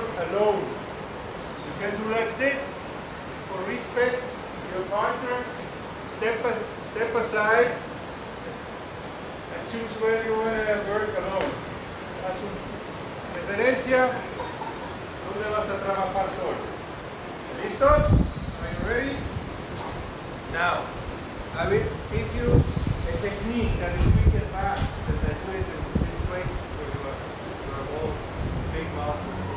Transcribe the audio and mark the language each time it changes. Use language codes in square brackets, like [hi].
[en] alone. You can do like this, for respect, your partner, step aside, and choose where you want to work alone. [es] Haz una referencia, donde vas a trabajar solo. ¿Listos? [en] Are you ready? Now, I will give you a technique that is quick and fast, that I do it in this place where you are, all big masters.